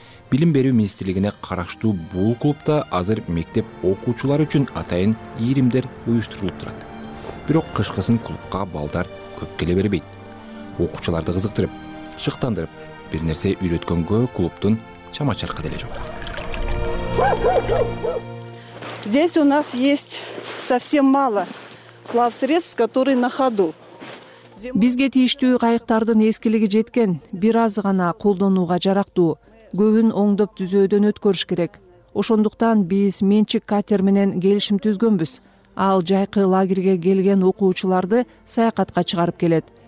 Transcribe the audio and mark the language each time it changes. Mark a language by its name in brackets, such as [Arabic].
[Kyrgyz] Билим берүү министрлигине караштуу бул клубта азыр мектеп окуучулары үчүн атайын ийримдер уюштурулуп турат. Бирок кышкысын клубка балдар көп келе бербейт. Окуучуларды кызыктырып, шыктандырып, бир нерсе үйрөткөнгө клубтун чама чаркы деле жок. [Russian] Здесь у нас есть совсем мало плавсредств, которые на ходу. [Kyrgyz] Бизге тийиштүү кайыктардын эскилиги жеткен, бир аз гана колдонууга жарактуу, көбүн оңдоп түзөөдөн өткөрүш керек. Ошондуктан биз менчик катер менен келишим түзгөнбүз. Ал жайкы лагерге келген окуучуларды саякатка чыгарып келет.